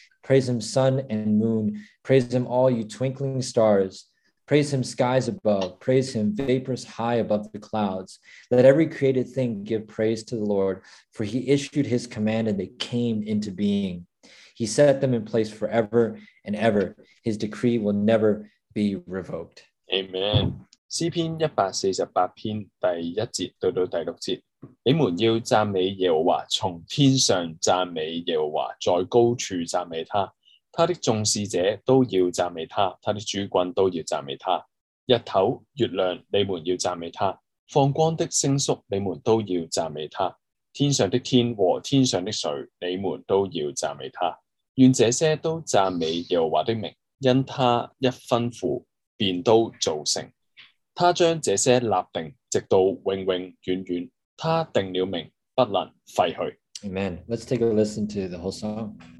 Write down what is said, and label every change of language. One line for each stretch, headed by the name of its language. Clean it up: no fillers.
English: Praise him, sun and moon. Praise him, all you twinkling stars. Praise him, skies above. Praise him, vapors high above the clouds. Let every created thing give praise to the Lord, for he issued his command and they came into being. He set them in place forever and ever. His decree will never be revoked." Amen.
Chinese: 詩篇148篇第一節到到第六節，你们要赞美耶和华，从天上赞美耶和华，在高处赞美他。他的众事者都要赞美他，他的主君都要赞美他。日头、月亮，你们要赞美他；放光的星宿，你们都要赞美他。天上的天和天上的水，你们都要赞美他。愿这些都赞美耶和华的名，因他一吩咐，便都造成。他将这些立定，直到永永远远。他定了名，不能废去。
English: Amen. Let's take a listen to the whole song.